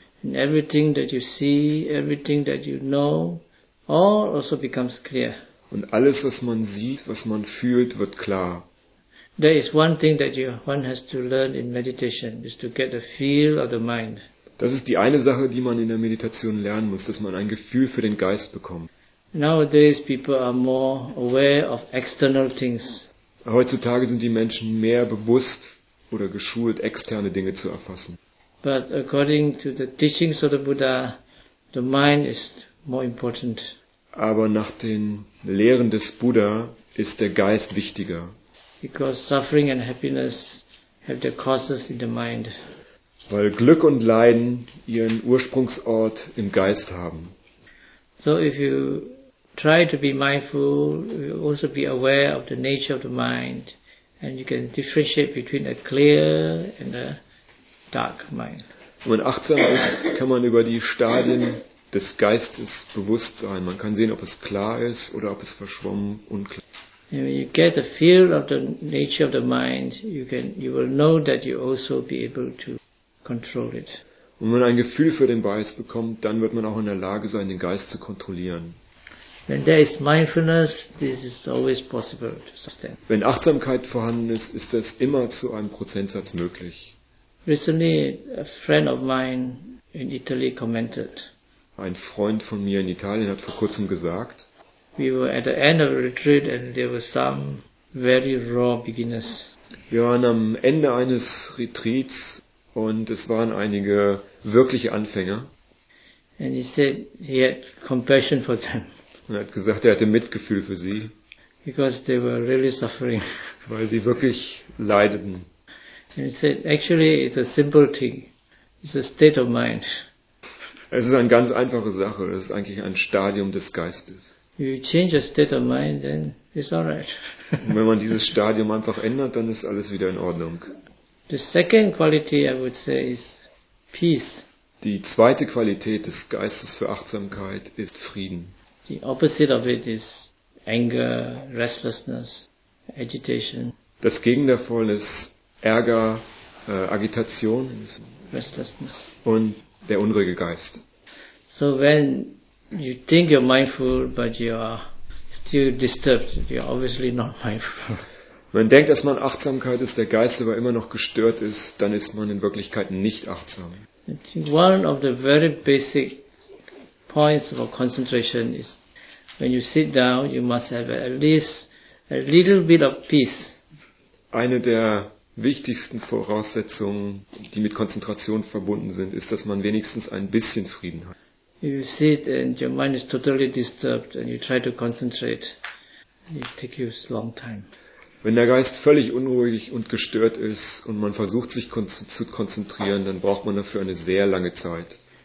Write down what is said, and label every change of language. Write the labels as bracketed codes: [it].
[en] And everything that you see, everything that you know, all also becomes clear. [de] Und alles, was man sieht, was man fühlt, wird klar. [en] There is one thing that one has to learn in meditation, is to get a feel of the mind. [de] Das ist die eine Sache, die man in der Meditation lernen muss, dass man ein Gefühl für den Geist bekommt. [en] Nowadays people are more aware of external things. [de] Heutzutage sind die Menschen mehr bewusst oder geschult, externe Dinge zu erfassen. [en] But according to the teachings of the Buddha, the mind is more important. [de] Aber nach den Lehren des Buddha ist der Geist wichtiger. [en] Because suffering and happiness have their causes in the mind. [de] Weil Glück und Leiden ihren Ursprungsort im Geist haben. [en] So if you try to be mindful, you also be aware of the nature of the mind, and you can differentiate between a clear and a dark mind. [de] Wenn man achtsam ist, kann man über die Stadien des Geistes bewusst sein. Man kann sehen, ob es klar ist oder ob es verschwommen und unklar ist. [en] And when you get a feel of the nature of the mind, you will know that you also be able to control it. [de] Und wenn man ein Gefühl für den Geist bekommt, dann wird man auch in der Lage sein, den Geist zu kontrollieren. [en] When there is mindfulness, this is always possible to sustain. [de] Wenn Achtsamkeit vorhanden ist, ist das immer zu einem Prozentsatz möglich. [en] Recently, a friend of mine in Italy commented. [de] Ein Freund von mir in Italien hat vor kurzem gesagt. [en] We were at the end of a retreat and there were some very raw beginners. [de] Wir waren am Ende eines Retreats und es waren einige wirkliche Anfänger. [en] And he said he had compassion for them. [de] Und er hat gesagt, er hatte Mitgefühl für sie. [en] Because they were really suffering. [de] Weil sie wirklich leideten. [en] And he said, actually it's a simple thing. It's a state of mind. [de] Es ist eine ganz einfache Sache. Es ist eigentlich ein Stadium des Geistes. [en] You change a state of mind, then it's all right. [de] Und wenn man dieses Stadium einfach ändert, dann ist alles wieder in Ordnung. [en] The second quality, I would say, is peace. [de] Die zweite Qualität des Geistes für Achtsamkeit ist Frieden. [en] The opposite of it is anger, restlessness, agitation. [de] Das Gegenteil davon ist Ärger, Agitation, [en] restlessness [de] und der unruhige Geist. [en] So when you think you're mindful but you are still disturbed, you're obviously not mindful. [de] Man denkt, dass man Achtsamkeit ist, der Geist aber immer noch gestört ist, dann ist man in Wirklichkeit nicht achtsam. [en] One of the very basic points of concentration is when you sit down, you must have at least a little bit of peace. [de] Eine der wichtigsten Voraussetzungen, die mit Konzentration verbunden sind, ist, dass man wenigstens ein bisschen Frieden hat. [en] You sit and your mind is totally disturbed and you try to concentrate. It takes you a long time. [de] Wenn der Geist völlig unruhig und gestört ist und man versucht, sich zu konzentrieren, dann braucht man dafür eine sehr lange Zeit.